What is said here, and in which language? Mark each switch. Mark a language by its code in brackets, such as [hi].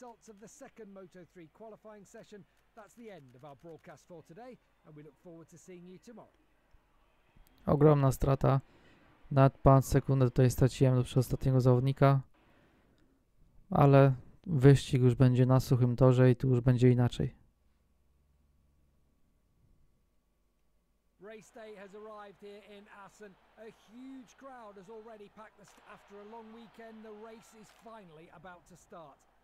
[en] Of the second Moto 3 qualifying session. That's the end of our broadcast for today, and we look forward to seeing you tomorrow. [pl] Ogromna strata. Nawet pan sekundę tutaj straciłem do przedostatniego zawodnika, ale wyścig już będzie na suchym torze i tu już będzie inaczej. [en] Race day has arrived here in Assen. A huge crowd has already packed the after a long weekend. The race is finally about to start.